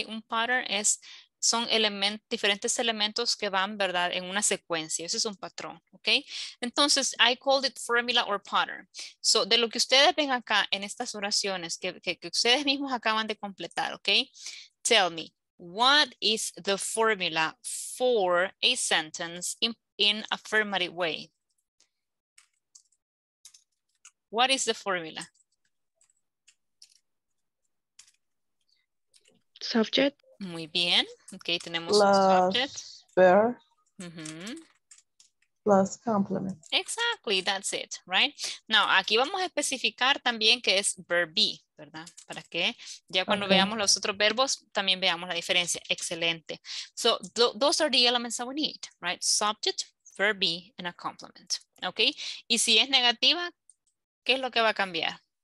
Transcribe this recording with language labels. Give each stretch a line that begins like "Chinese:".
Spanish: Un pattern es, son elementos, diferentes elementos que van, ¿verdad? En una secuencia, eso es un patrón, ¿ok? Entonces,
English: I called it formula or pattern.
Spanish: So, de lo que ustedes ven acá en estas oraciones que ustedes mismos acaban de completar, ¿ok?
English: Tell me, what is the formula for a sentence in affirmative way? What is the formula? Subject.
Spanish: Muy bien. Okay, tenemos plus subject.
English: Verb. Mm-hmm. Plus complement. Exactly, that's it, right?
Spanish: Now, aquí vamos a especificar también que es verb be, ¿verdad? Para que ya cuando okay. veamos los otros verbos, también veamos la diferencia. Excelente.
English: So, those are the elements that we need, right? Subject, verb be, and a complement. Okay?
Spanish: Y si es negativa, ¿qué es lo que va a cambiar?